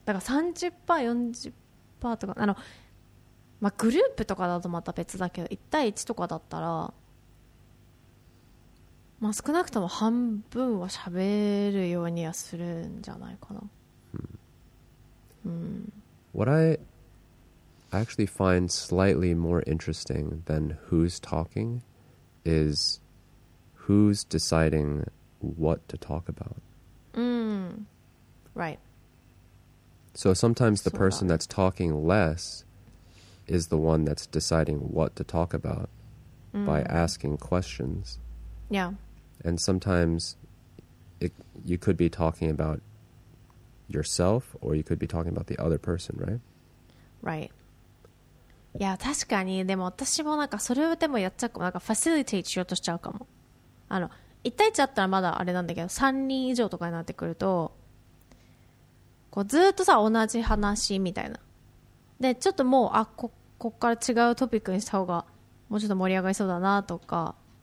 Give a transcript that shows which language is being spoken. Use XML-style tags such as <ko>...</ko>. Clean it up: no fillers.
<ja>だから 30% 40% とか、あの、まあ、グループとかだとまた別だけど、1対1とかだったら、まあ、少なくとも半分は喋るようにはするんじゃないかな。</ja> <en>What I actually find slightly more interesting than who's talking is who's deciding what to talk about. Right. So sometimes the person that's talking less is the one that's deciding what to talk about by asking questions. Yeah. And sometimes you could be talking about yourself or you could be talking about the other person, right? Right.</en> <ja>いや、確かに。でも私もなんかそれをでもやっちゃうかも。なんかファシリテイトしようとしちゃうかも。あの、一対一だったらまだあれなんだけど、三人以上とかになってくると、こうずっとさ、同じ話みたいな。で、ちょっともう、あ、ここから違うトピックにした方が、もうちょっと盛り上がりそうだなとか。</ja>